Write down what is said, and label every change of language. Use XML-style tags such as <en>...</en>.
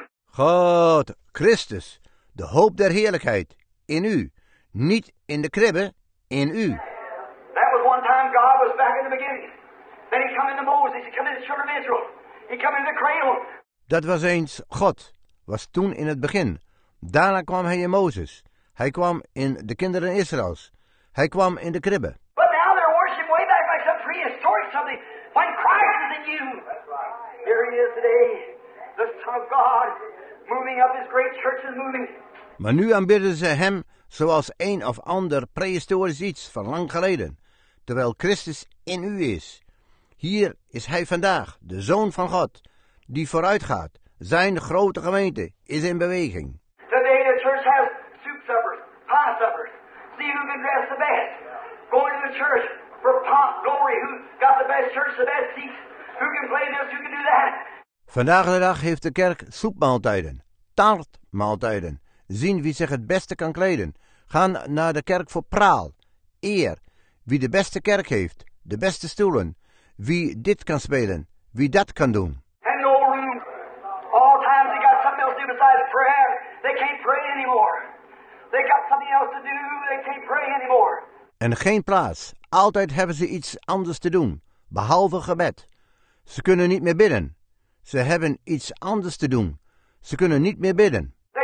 <nl>God, Christus, de hoop der heerlijkheid, in u, niet in de kribbe, in u.</nl> <en>That was one time God was back in the beginning. Then he came into Moses, he came into the children of Israel, he came into the cradle.</en> <nl>Dat was eens God. Was toen in het begin. Daarna kwam hij in Mozes. Hij kwam in de kinderen Israëls. Hij kwam in de kribbe.</nl> <en>But now they're worshiping way back like some prehistoric something. When Christ is in you. Here he is today, the Son of God, moving up his great church and moving.</en> <nl>Maar nu aanbidden ze hem zoals een of ander prehistorisch iets van lang geleden, terwijl Christus in u is. Hier is hij vandaag, de Zoon van God, die vooruitgaat. Zijn grote gemeente is in beweging.</nl> <en>Today the church has soup suppers, pie suppers. See who can dress the best. Going to the church for pomp, glory, who got the best church, the best seats. Who can play this, who can do that.</en> <nl>Vandaag de dag heeft de kerk soepmaaltijden, taartmaaltijden. Zien wie zich het beste kan kleden. Gaan naar de kerk voor praal, eer. Wie de beste kerk heeft, de beste stoelen. Wie dit kan spelen, wie dat kan doen.</nl> <en>And no room. All times they got something else to do besides prayer. They can't pray anymore. They got something else to do. They can't pray anymore.</en> <nl>En geen plaats. Altijd hebben ze iets anders te doen, behalve gebed. Ze kunnen niet meer bidden. Ze hebben iets anders te doen. Ze kunnen niet meer bidden.</nl>